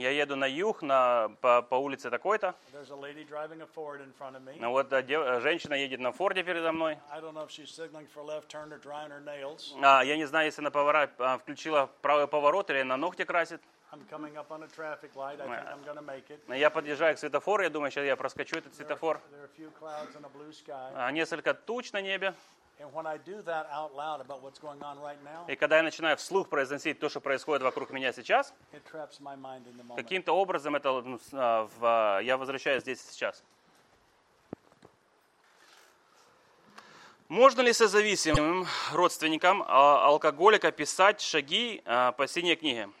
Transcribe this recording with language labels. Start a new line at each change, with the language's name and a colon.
Russian: Я еду на юг по улице такой-то.
English: There's a lady driving a Ford in front of me.
Russian: Ну вот женщина едет на Форде передо мной.
English: I don't know if she's signaling for left turn or drying her nails.
Russian: А я не знаю, если она включила правый поворот или на ногти красит.
English: I'm coming up on a traffic light. I think I'm going to make it.
Russian: Я подъезжаю к светофору, я думаю, сейчас я проскочу этот светофор.
English: There are a few clouds and a blue sky.
Russian: Несколько туч на небе.
English: And when I do that out loud about what's going on right now,
Russian: и когда я начинаю вслух произносить то, что происходит вокруг меня сейчас,
English: it traps my mind in the moment.
Russian: Каким-то образом это я возвращаюсь здесь сейчас. Можно ли созависимым родственникам алкоголика писать шаги по синей книге?